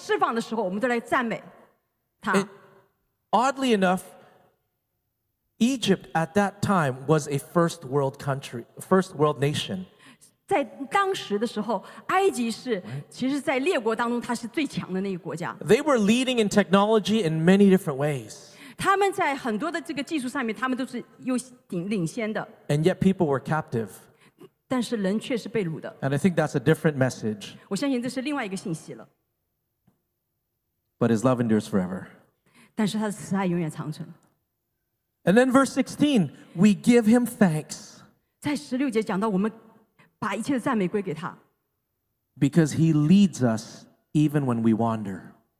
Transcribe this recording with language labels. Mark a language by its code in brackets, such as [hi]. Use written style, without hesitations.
[zh] 这就是都关乎我们在我们被掳的时候和我们被释放的时候，我们都来赞美他。 [en] Oddly enough, Egypt at that time was a first world country, first world nation. [zh] 在当时的时候，埃及是其实在列国当中它是最强的那个国家。 [en] They were leading in technology in many different ways. [zh] 他们在很多的这个技术上面，他们都是有领先的。 [en] And yet people were captive. [zh] 但是人却是被掳的。 [en] And I think that's a different message. [zh] 我相信这是另外一个信息了。 [en] But his love endures forever. [zh] 但是他的慈爱永远长存。 [en] And then verse 16, we give him thanks. [zh] 在16节讲到我们把一切的赞美归给他。 [en] Because he leads us even when we wander.